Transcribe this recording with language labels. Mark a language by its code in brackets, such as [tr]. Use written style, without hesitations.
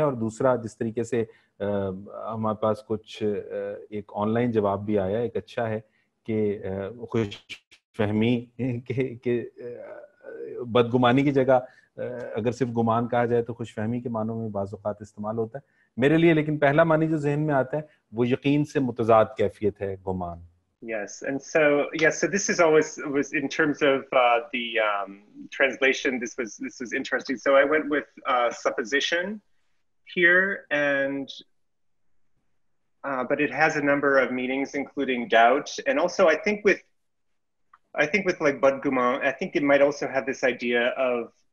[ur] اور دوسرا جس طریقے سے ہمارے پاس کچھ ایک آن لائن جواب بھی آیا, ایک اچھا ہے کہ خوش فہمی کہ بدگمانی کی جگہ اگر صرف گمان کہا جائے تو خوش فہمی کے معنوں میں بعض اوقات استعمال ہوتا ہے میرے لیے, لیکن پہلا معنی جو ذہن میں آتا ہے وہ یقین سے متضاد کیفیت ہے گمان. [en] Yes, and so yes, so this is always was in terms of the translation, this was interesting. So I went with supposition here, and but it has a number of meanings including doubt, and also I think with like budguman, I think it might also have this idea of